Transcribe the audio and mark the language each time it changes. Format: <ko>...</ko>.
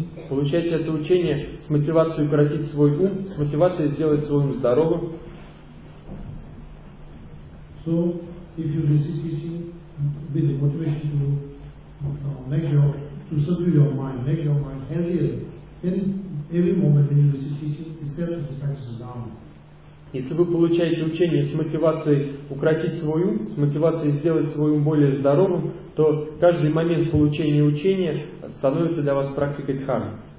<ru>Получайте это учение с мотивацией укоротить свой ум, с мотивацией сделать свой ум здоровым.</ru> <en>So, if you receive teaching with the motivation to make your mind healthier, then every moment when you receive teaching, the self-satisfaction is down.</en> <ru>Если вы получаете учение с мотивацией укротить свой ум, с мотивацией сделать свой ум более здоровым, то каждый момент получения учения становится для вас практикой дхармы.</ru>